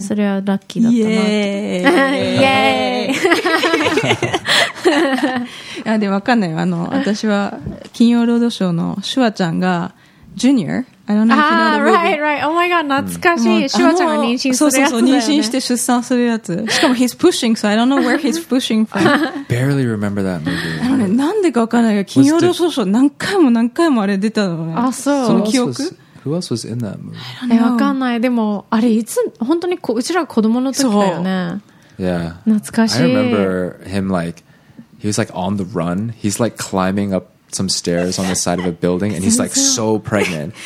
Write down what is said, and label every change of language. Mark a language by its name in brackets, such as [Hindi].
[Japanese] それはラッキーだったなって。イエーイ。いやでも分かんないよ、あの私は金曜ロードショーのシュワちゃんがジュニア、あのね、ああ、 [English] right, right, oh my god, [Japanese] 懐かしい、シュワちゃんが妊娠するやつだよね。そうそうそう、妊娠して出産するやつ。しかも [English] he's pushing, so I don't know where he's pushing from. I barely remember that movie. [Japanese] あのね、なんでか分かんないけど、金曜ロードショー何回も何回もあれ出たのね。あ、そう。その記憶。 [English] Who else was in that movie? [Japanese] え、分かんない。でもあれいつ本当にこうちら子供の時だよね。 [English] Yeah. [Japanese] 懐かしい。 [English] I remember him like. He was like on the run. He's like climbing up some stairs on the side of a building, and he's like so pregnant.